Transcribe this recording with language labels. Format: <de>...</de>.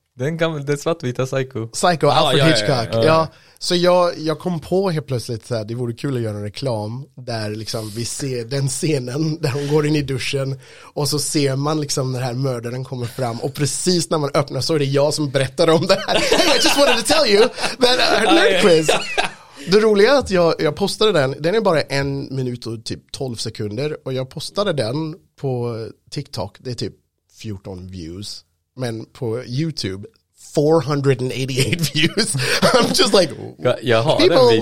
<sv>Den gamla, den svartvita Psycho. Psycho, Alfred Hitchcock. Ja. Så jag kom på helt plötsligt att det vore kul att göra en reklam där liksom vi ser den scenen där hon går in i duschen och så ser man liksom den här mördaren komma fram, och precis när man öppnar så är det jag som berättar om det här.</sv> <en>Hey, I just wanted to tell you that I heard nerd quiz.</en> <sv>Det roliga är att jag postade den. Den är bara en minut och typ 12 sekunder, och jag postade den på TikTok. Det är typ 14 views. Men på YouTube</sv> <en>488 views. I'm just like,</en> <sv>jaha,</sv> <en>people</en>